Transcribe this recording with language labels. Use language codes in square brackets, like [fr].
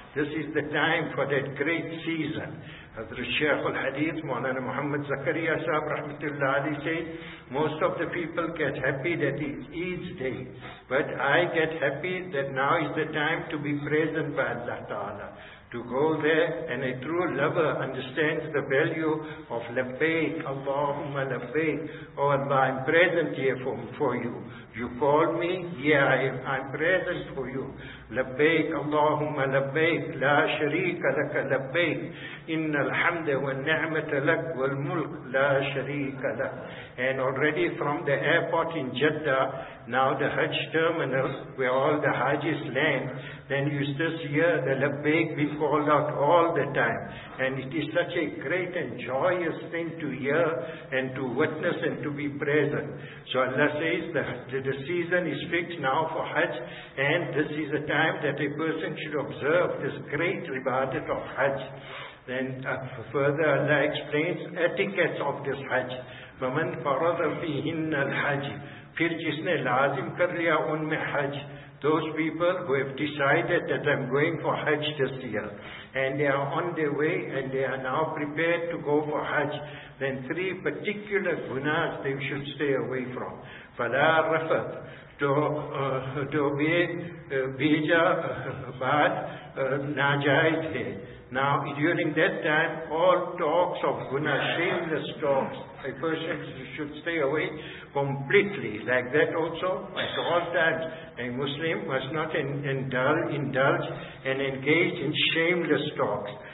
[en] This is the time for that great season. Hazrat Shaykh al-Hadith, Mawlana Muhammad Zakariya Sahib, Rahmatullah Ali, says, most of the people get happy that it's Eid's day, but I get happy that now is the time to be present by Allah Ta'ala, to go there, and a true lover understands the value of [ar] labbaik, Allahumma labbaik, [en] oh Allah, I'm present here for you. You called me, yeah, I'm present for you. [ar] لبيك اللهم لبيك لا شريك لك لبيك إن الحمد والنعمة لك والملك لا شريك لك. [en] And already from the airport in Jeddah, now the Hajj terminal where all the Hajjis land, then you just hear the Labbaik being called out all the time. And it is such a great and joyous thing to hear and to witness and to be present. So Allah says that the season is fixed now for Hajj, and this is a time that a person should observe this great ibadat of Hajj. Then further Allah explains etiquettes of this Hajj. [ar] فَمَنْ فَرَضَ فِيهِنَّ الْحَجِ [ur] پھر جس نے لازم کر لیا ان میں حج. [en] Those people who have decided that I'm going for Hajj this year, and they are on their way and they are now prepared to go for Hajj, then three particular gunas they should stay away from. [ar] فَلَا رَفَتْ [ur] تو بھیجا بات ناجائز ہے. [en] Now, during that time, all talks of guna, shameless talks, a person should stay away completely. Like that also, at all times, a Muslim must not indulge and engage in shameless talks.